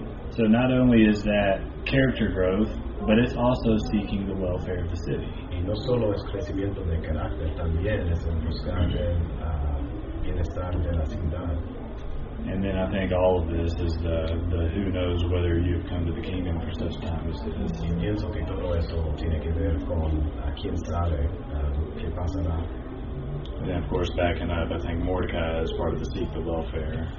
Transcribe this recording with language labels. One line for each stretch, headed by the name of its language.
English: So not only is that character growth, but it's also seeking the welfare of the city.
Spanish: Y no solo es crecimiento de carácter, también es en buscar el bienestar de la ciudad.
English: And then I think all of this is the who knows whether you've come to the kingdom for such time as this.
Spanish: Y pienso que todo esto tiene que ver con a quién sabe qué pasará.
English: Then of course back in I think Mordecai is part of the seek the welfare.